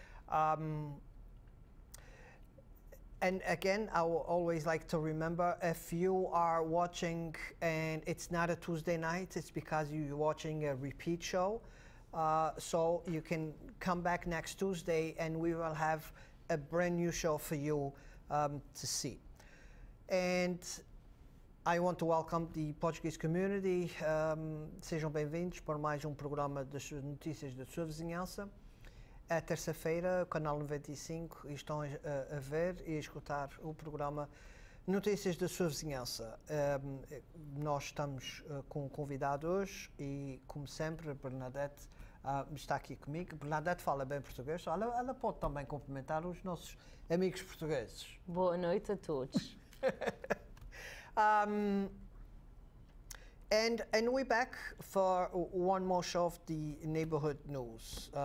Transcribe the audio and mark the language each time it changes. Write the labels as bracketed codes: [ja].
[en] And again, I will always like to remember, if you are watching and it's not a Tuesday night, it's because you're watching a repeat show. So you can come back next Tuesday and we will have a brand new show for you to see. And I want to welcome the Portuguese community. [pt] Sejam bem-vindos para mais programa das notícias da sua vizinhança. É terça-feira, canal 95, e estão a ver e a escutar o programa Notícias da Sua Vizinhança. Nós estamos com um convidado hoje e, como sempre, Bernadette está aqui comigo. Bernadette fala bem português, ela pode também cumprimentar os nossos amigos portugueses. Boa noite a todos. [en] and we're back for one more show of the neighborhood news.